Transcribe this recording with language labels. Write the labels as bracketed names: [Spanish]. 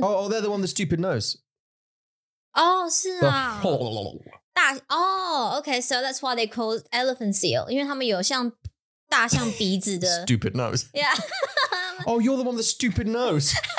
[English] ？Oh, they're the one with the stupid nose. [Chinese] 哦、oh, ，是啊。 [English] 大哦、okay, so that's why they call elephant seal. [Chinese] 因为他们有像大象鼻子的 [English] stupid nose. Yeah. Oh, you're the one with the stupid nose.